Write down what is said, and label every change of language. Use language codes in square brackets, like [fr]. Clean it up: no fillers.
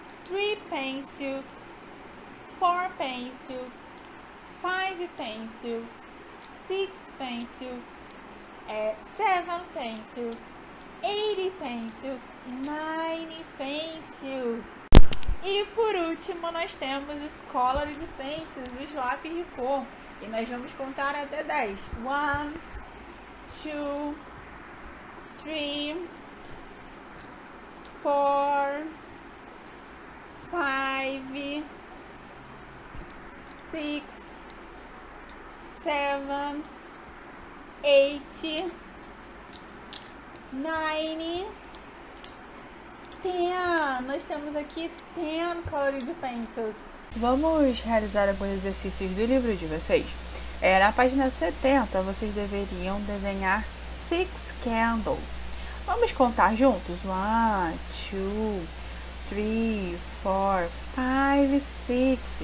[en] Three pencils, four pencils, five pencils, six pencils, seven pencils, eight pencils, nine pencils. [pt] E por último, nós temos os colored pencils, os lápis de cor. E nós vamos contar até 10. One, two, three, four. [en] Five, six, seven, eight, nine, ten. [pt] Nós temos aqui 10 colored pencils. Vamos realizar alguns exercícios do livro de vocês. É, na página 70, vocês deveriam desenhar six candles. Vamos contar juntos? [en] One, two, three, four, five, six.